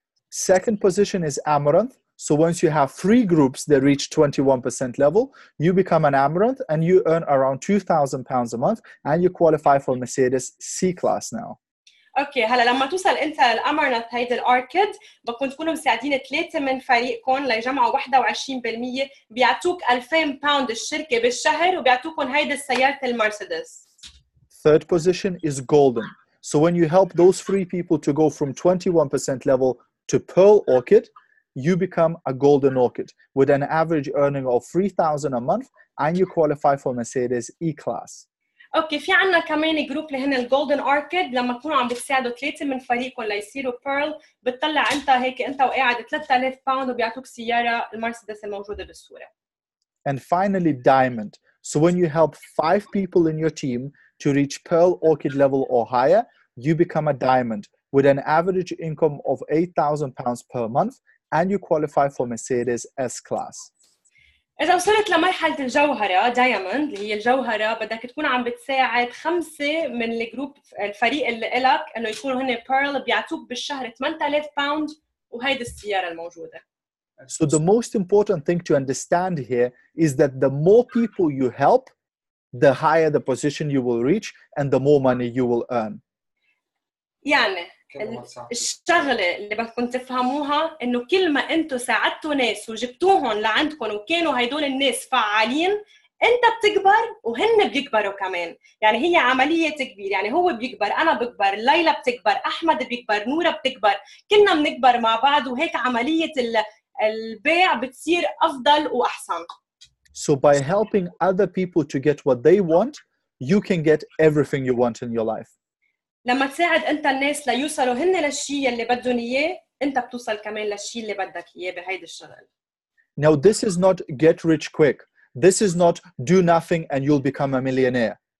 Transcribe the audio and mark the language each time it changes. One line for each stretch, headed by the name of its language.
English: second position is Amaranth So once you have three groups that reach 21% level, you become an Amaranth and you earn around 2,000 pounds a month and you qualify for Mercedes C-Class now.
Arabic: Okay, هلا لما توصل انت للأمرنث هيدا الأركيد بكون تكونوا مساعدين ثلاثة من فريقكم ليجمعوا 21% بيعطوك 2000 باوند الشركة بالشهر وبيعطوكم هيدا السيارة المرسيدس.
English: Third position is Golden. So when you help those three people to go from 21% level to Pearl Orchid, you become a golden orchid with an average earning of 3,000 a month and you qualify for Mercedes E-Class.
Arabic: Okay, في عنا كمان جروب اللي هن الgolden orchid لما تكونوا عم بتساعدوا ثلاثة من فريقكم ليصيروا pearl بتطلع انت هيك انت وقاعد 3000 باوند وبيعطوك سيارة المرسيدس الموجودة بالصورة.
English: And finally, diamond. So when you help five people in your team to reach pearl orchid level or higher, you become a diamond with an average income of 8,000 pounds per month and you qualify for Mercedes S-Class.
Arabic: إذا وصلت لمرحلة الجوهرة, Diamond, اللي هي الجوهرة, بدك تكون عم بتساعد خمسة من الجروب الفريق اللي إلك إنه يكونوا هنا Pearl بيعطوك بالشهر 8000 باوند وهيدي السيارة الموجودة.
English: So the most important thing to understand here is that the more people you help, the higher the position you will reach and the more money you will earn.
Arabic: يعني الشغلة اللي بدكم تفهموها انه كل ما انتو ساعدتوا ناس وجبتوهم لعندكم وكانوا هيدون الناس فعالين انت بتكبر وهن بيكبروا كمان يعني هي عملية تكبير يعني هو بيكبر انا بكبر ليلى بتكبر احمد بيكبر نورة بتكبر كلنا بنكبر مع بعض وهيك عملية البيع بتصير افضل واحسن
English: So by helping other people to get what they want you can get everything you want in your life
Arabic: لما تساعد انت الناس ليوصلوا هن للشيء اللي بدهم اياه انت بتوصل كمان للشيء اللي بدك اياه بهيدا الشغل
English: Now this is not get rich quick this is not do nothing and you'll become a millionaire